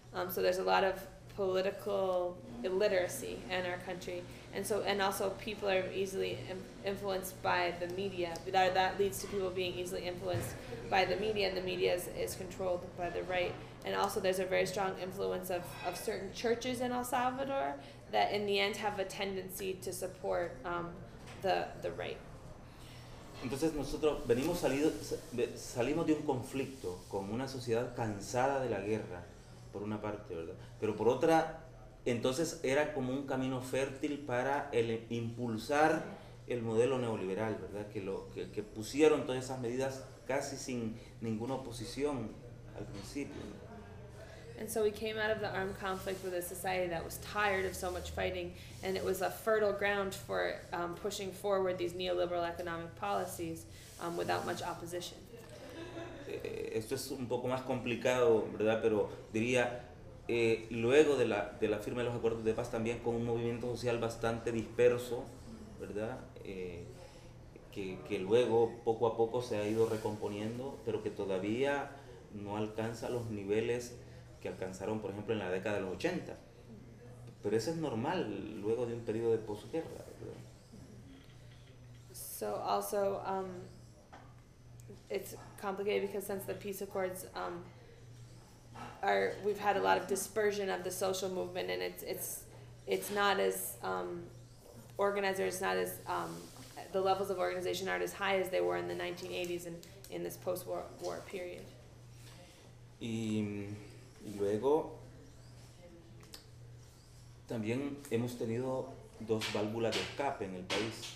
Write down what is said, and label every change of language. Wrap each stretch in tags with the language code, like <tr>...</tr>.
<en>So there's a lot of political illiteracy in our country, and also people are easily influenced by the media. That leads to people being easily influenced by the media, and the media is controlled by the right. And also there's a very strong influence of certain churches in El Salvador that in the end have a tendency to support the right.</en> <es>Entonces nosotros salimos de un conflicto con una sociedad cansada de la guerra, por una parte, ¿verdad? Pero por otra, entonces era como un camino fértil para impulsar el modelo neoliberal, ¿verdad? Que pusieron todas esas medidas casi sin ninguna oposición al principio.</es> <en>And so we came out of the armed conflict with a society that was tired of so much fighting, and it was a fertile ground for pushing forward these neoliberal economic policies without much opposition.</en> <es>Esto es un poco más complicado, ¿verdad? Pero diría, luego de la firma de los acuerdos de paz, también con un movimiento social bastante disperso, ¿verdad? Que luego, poco a poco, se ha ido recomponiendo, pero que todavía no alcanza los niveles que alcanzaron, por ejemplo, en la década de los 80. Pero eso es normal luego de un periodo de posguerra, ¿verdad?</es> <en>So also it's complicated because since the peace accords we've had a lot of dispersion of the social movement, and it's not as organized, or it's not as the levels of organization aren't as high as they were in the 1980s and in this post-war period.</en> <es>Y luego, también hemos tenido dos válvulas de escape en el país.</es>